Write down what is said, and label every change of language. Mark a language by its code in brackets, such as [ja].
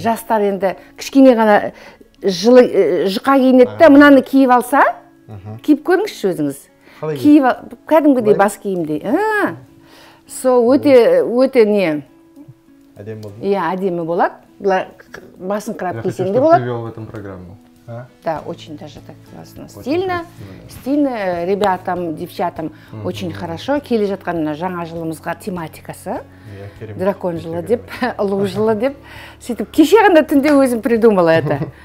[kk] Жастар енді кішкене ғана жұқа киінеді де, мынаны киіп алса, киіп көріңізші өзіңіз. Киіп кәдімгідей бас киімдей. Сол өте не? Әдемі болады. Иә, әдемі болады. Бұлар басын қарап кесеңде болады. [ru] Я хочу, чтобы ты вел в этом программу. А? Да, очень даже так классно. Стильно. Красиво, да. Стильно ребятам, девчатам очень хорошо. [kk] Келе жатқан жаңа жылымызға тематикасы. Дракон жылы деп, ұлу жылы деп. Сөйтіп кеше ғана түнде өзім [ru] придумала это.